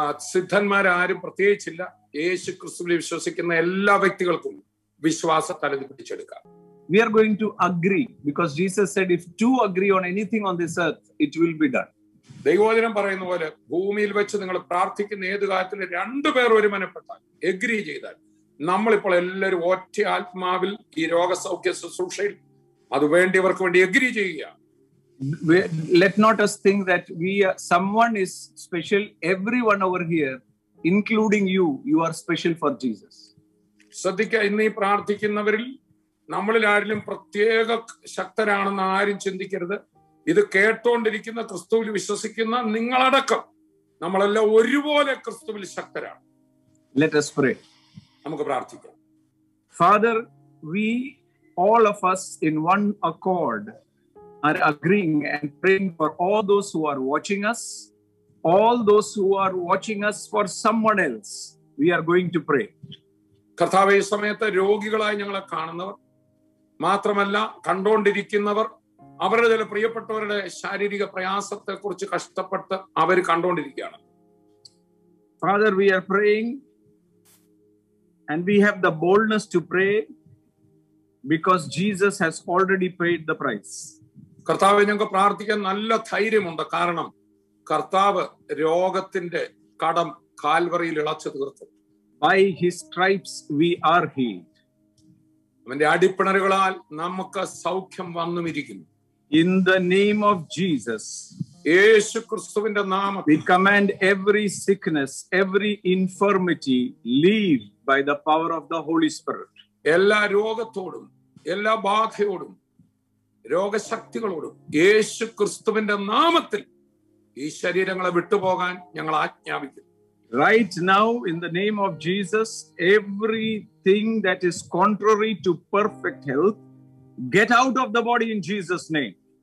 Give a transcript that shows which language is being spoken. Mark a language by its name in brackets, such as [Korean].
[Malayalam] സിദ്ധന്മാരാരും പ്രത്യേകിച്ചില്ല, യേശു ക്രിസ്തുവിനെ വിശ്വസിക്കുന്ന എല്ലാ വ്യക്തികൾക്കും വിശ്വാസത്തെ പിടിച്ചെടുക്കാം. [English] We are going to agree because Jesus said if two agree on anything on this earth it will be done. [Malayalam] ദൈവവചനം പറയുന്ന പോലെ ഭൂമിയിൽ വെച്ച് നിങ്ങൾ പ്രാർത്ഥിക്കുന്ന ഏത് കാര്യത്തിൽ രണ്ടു പേർ ഒരുമനപ്പെട്ടാൽ, എഗ്രി ചെയ്താൽ, നമ്മളിപ്പോൾ എല്ലാവരും ഒറ്റ ആത്മാവിൽ ഈ രോഗസൗഖ്യ ശുശ്രൂഷയിൽ അത് വേണ്ടിയവർക്ക് വേണ്ടി എഗ്രി ചെയ്യുക. [English] Let not us think that someone is special, everyone over here including you are special for Jesus. [Malayalam] സദിക്ക ഇന്നി പ്രാർത്ഥിക്കുന്നവരിൽ നമ്മളിൽ ആരിലും പ്രത്യേക ശക്തരാണെന്ന് ആരും ചിന്തിക്കരുത്. ഇത് കേട്ടോണ്ടിരിക്കുന്ന ക്രിസ്തുവിൽ വിശ്വസിക്കുന്ന നിങ്ങളടക്കം നമ്മളെല്ലാം ഒരുപോലെ ക്രിസ്തുവിൽ ശക്തരാണ്. [English] Let us pray. [Malayalam] നമുക്ക് പ്രാർത്ഥിക്കാം. [English] Father, we all of us in one accord are agreeing and praying for all those who are watching us, all those who are watching us for someone else. We are going to pray. [Malayalam] കർത്താവേ, ഈ സമയത്ത് രോഗികളായി ഞങ്ങളെ കാണുന്നവർ മാത്രമല്ല, കണ്ടോണ്ടിരിക്കുന്നവർ അവരുടെ ചില പ്രിയപ്പെട്ടവരുടെ ശാരീരിക പ്രയാസത്തെ കുറിച്ച് കഷ്ടപ്പെട്ട് അവർ കണ്ടോണ്ടിരിക്കുകയാണ്. [English] Father, we are praying and we have the boldness to pray because Jesus has already paid the price. [Malayalam] കർത്താവ്, ഞങ്ങൾക്ക് പ്രാർത്ഥിക്കാൻ നല്ല ധൈര്യമുണ്ട്, കാരണം കർത്താവ് രോഗത്തിന്റെ കടം കാൽവറിയിൽ ഇളച്ചു തീർത്തു. [English] By his stripes we are healed. [Malayalam] അവന്റെ അടിപ്പണറുകളാൽ നമുക്ക് സൗഖ്യം വന്നിരിക്കുന്നു. [English] In the name of Jesus, [Malayalam] യേശു ക്രിസ്തുവിന്റെ നാമത്തിൽ, [English] we command every sickness, every infirmity leave by the power of the Holy Spirit. [Malayalam] എല്ലാ രോഗത്തോടും എല്ലാ ബാധയോടും രോഗശക്തികളോടും യേശു ക്രിസ്തുവിന്റെ നാമത്തിൽ ഈ ശരീരങ്ങളെ വിട്ടുപോകാൻ ഞങ്ങൾ ആജ്ഞാപിക്കുന്നു. [English] Right now in the name of Jesus, everything that is contrary to perfect health, get out of the body in Jesus' name.